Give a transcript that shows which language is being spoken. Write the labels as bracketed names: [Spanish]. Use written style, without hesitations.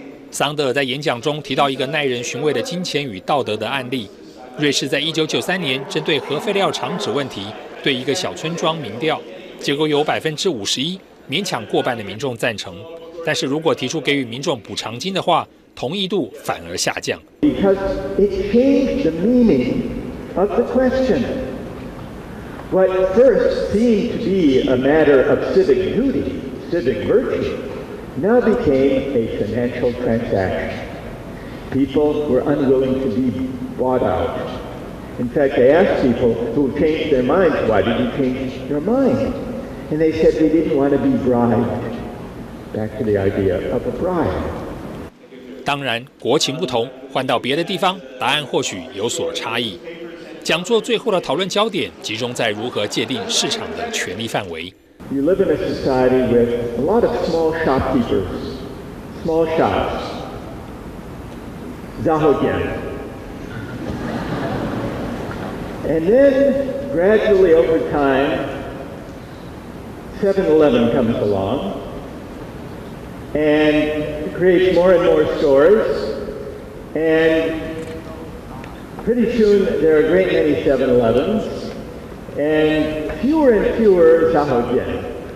[Chinese] 桑德尔在演讲中提到一个耐人寻味的金钱与道德的案例。瑞士在1993年针对核废料厂址问题对一个小村庄民调，结果有51%。勉强过半的民众赞成，但是如果提出给予民众补偿金的话，同意度反而下降。 [English] Because it changed the meaning of the question. What first seemed to be a matter of civic duty, civic virtue, now became a financial transaction. People were unwilling to be bought out. In fact, they asked people who changed their minds, "Why did you change your mind?" And they said they didn't want to be bribed. Back to the idea of a bribe. [Chinese] 当然，国情不同，换到别的地方，答案或许有所差异。讲座最后的讨论焦点集中在如何界定市场的权力范围。 [English] You live in a society with a lot of small shopkeepers, small shops, zahogian, and then gradually over time. 7-Eleven comes along and creates more and more stores, and pretty soon there are a great many 7-Elevens and fewer zahogian.